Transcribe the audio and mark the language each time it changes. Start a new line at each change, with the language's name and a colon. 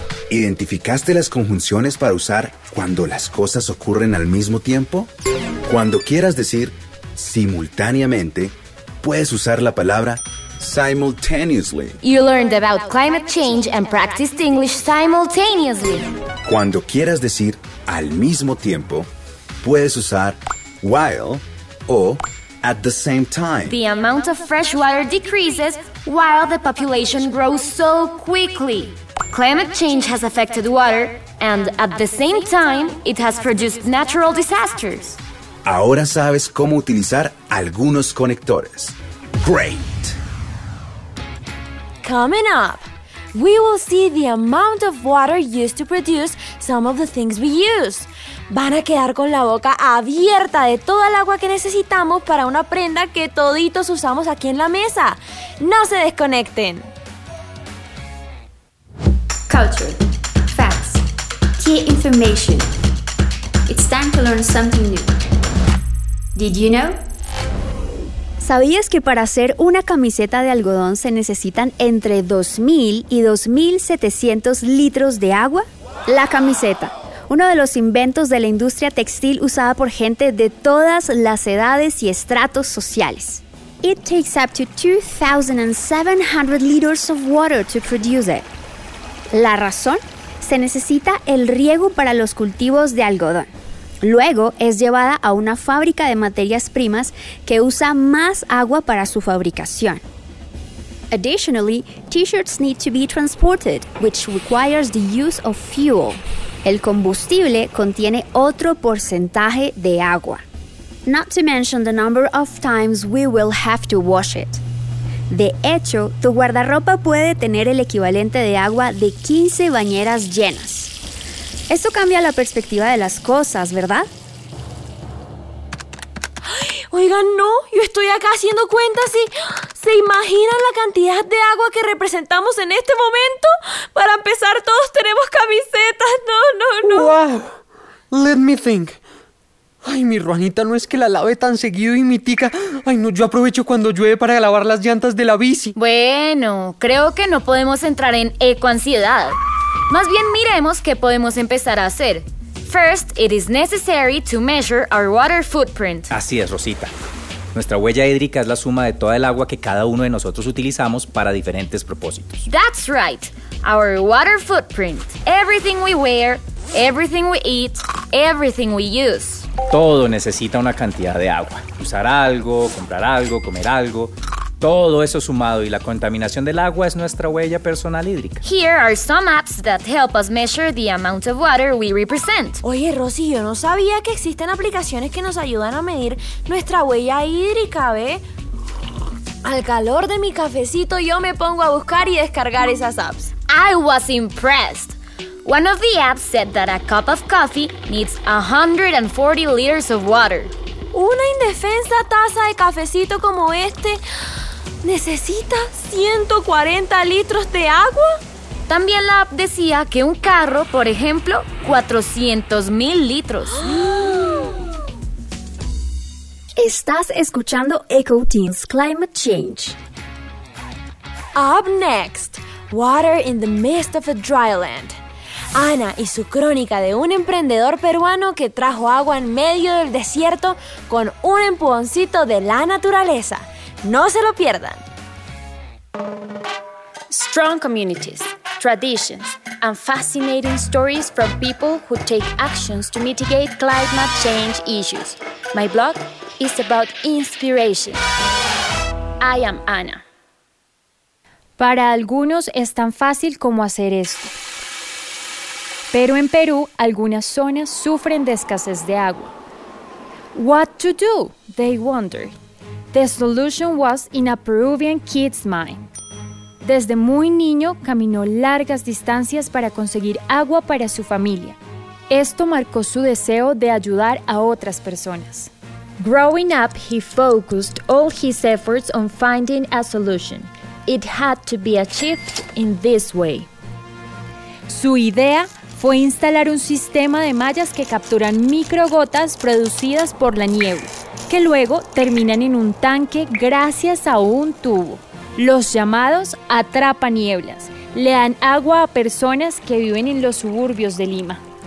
Spanish: ¿Identificaste las conjunciones para usar cuando las cosas ocurren al mismo tiempo? Cuando quieras decir simultáneamente, puedes usar la palabra simultaneously.
English: You learned about climate change and practiced English simultaneously.
Spanish: Cuando quieras decir al mismo tiempo, puedes usar
English: while
Spanish: o
English: at the same time. The amount of fresh water decreases while the population grows so quickly. Climate change has affected water, and at the same time, it has produced natural disasters.
Spanish: Ahora sabes cómo utilizar algunos conectores.
English: Great! Coming up, we will see the amount of water used to produce some of the things we use.
Spanish: Van a quedar con la boca abierta de toda el agua que necesitamos para una prenda que toditos usamos aquí en la mesa. ¡No se desconecten!
English: Culture, facts, key information. It's time to learn something new. Did you know?
Spanish: ¿Sabías que para hacer una camiseta de algodón se necesitan entre 2.000 y 2.700 litros de agua? La camiseta, uno de los inventos de la industria textil usada por gente de todas las edades y estratos sociales. It takes up to 2,700 liters of water to produce it. La razón, se necesita el riego para los cultivos de algodón. Luego es llevada a una fábrica de materias primas que usa más agua para su fabricación.
English: Additionally, t-shirts need to be transported, which requires the use of fuel.
Spanish: El combustible contiene otro porcentaje de agua.
English: Not to mention the number of times we will have to wash it.
Spanish: De hecho, tu guardarropa puede tener el equivalente de agua de 15 bañeras llenas. Esto cambia la perspectiva de las cosas, ¿verdad? Ay, oigan, no, yo estoy acá haciendo cuentas y... ¿Se imaginan la cantidad de agua que representamos en este momento? Para empezar, todos tenemos camisetas. No, no, no.
English: Wow. Let me think.
Spanish: Ay, mi Juanita, no es que la lave tan seguido y mi tica... Ay, no, yo aprovecho cuando llueve para lavar las llantas de la bici. Bueno, creo que no podemos entrar en ecoansiedad. Más bien, miremos qué podemos empezar a hacer.
English: First, it is necessary to measure our water footprint.
Spanish: Así es, Rosita. Nuestra huella hídrica es la suma de toda el agua que cada uno de nosotros utilizamos para diferentes propósitos.
English: That's right. Our water footprint. Everything we wear, everything we eat, everything we use.
Spanish: Todo necesita una cantidad de agua. Usar algo, comprar algo, comer algo. Todo eso sumado y la contaminación del agua es nuestra huella personal hídrica.
English: Here are some apps that help us measure the amount of water we represent.
Spanish: Oye, Rosy, yo no sabía que existen aplicaciones que nos ayudan a medir nuestra huella hídrica, ¿ve? Al calor de mi cafecito yo me pongo a buscar y descargar esas apps.
English: I was impressed. One of the apps said that a cup of coffee needs 140 liters of water.
Spanish: Una indefensa taza de cafecito como este necesita 140 litros de agua. También la app decía que un carro, por ejemplo, 400.000 litros. Estás escuchando Echo Teens Climate Change.
English: Up next, water in the midst of a dry land.
Spanish: Ana y su crónica de un emprendedor peruano que trajo agua en medio del desierto con un empujoncito de la naturaleza. ¡No se lo pierdan!
English: Strong communities, traditions, and fascinating stories from people who take actions to mitigate climate change issues. My blog is about inspiration. I am Ana.
Spanish: Para algunos es tan fácil como hacer esto. Pero en Perú, algunas zonas sufren de escasez de agua.
English: What to do? They wondered. The solution was in a Peruvian kid's mind.
Spanish: Desde muy niño, caminó largas distancias para conseguir agua para su familia. Esto marcó su deseo de ayudar a otras personas.
English: Growing up, he focused all his efforts on finding a solution. It had to be achieved in this way.
Spanish: Su idea fue instalar un sistema de mallas que capturan microgotas producidas por la nieve, que luego terminan en un tanque gracias a un tubo. Los llamados atrapanieblas le dan agua a personas que viven en los suburbios de Lima.